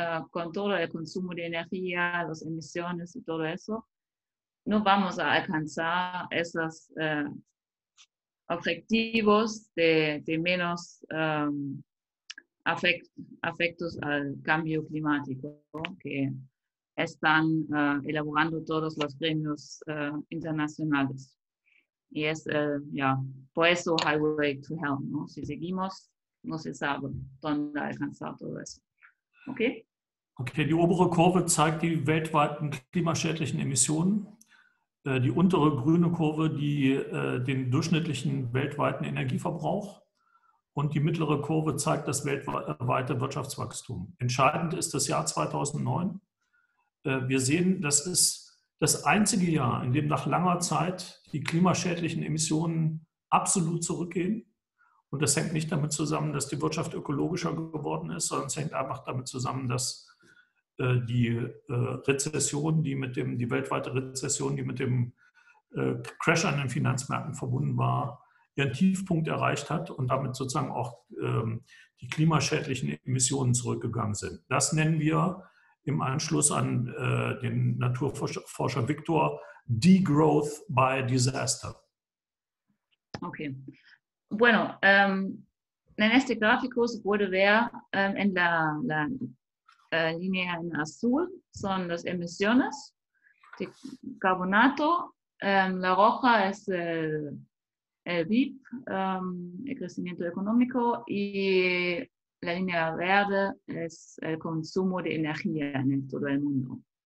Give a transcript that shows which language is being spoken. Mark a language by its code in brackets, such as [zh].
[es] con todo el consumo de energía, las emisiones y todo eso, no vamos a alcanzar esos objetivos de menos afectos al cambio climático, ¿no? Que están elaborando todos los gremios internacionales. Y es, por eso Highway to Hell, ¿no? Si seguimos, no se sabe dónde alcanzar todo eso. ¿Ok? [de] Okay, die obere Kurve zeigt die weltweiten klimaschädlichen Emissionen. Die untere grüne Kurve, die den durchschnittlichen weltweiten Energieverbrauch. Und die mittlere Kurve zeigt das weltweite Wirtschaftswachstum. Entscheidend ist das Jahr 2009. Wir sehen, das ist das einzige Jahr, in dem nach langer Zeit die klimaschädlichen Emissionen absolut zurückgehen. Und das hängt nicht damit zusammen, dass die Wirtschaft ökologischer geworden ist, sondern es hängt einfach damit zusammen, dass die Rezession, die weltweite Rezession, die mit dem Crash an den Finanzmärkten verbunden war, ihren Tiefpunkt erreicht hat und damit sozusagen auch die klimaschädlichen Emissionen zurückgegangen sind. Das nennen wir im Anschluss an den Naturforscher Victor Degrowth by Disaster. Okay. [es] Bueno, en este gráfico se puede ver en la línea en azul son las emisiones de carbonato. La roja es el PIB, el crecimiento económico, y la línea verde es el consumo de energía en todo el mundo.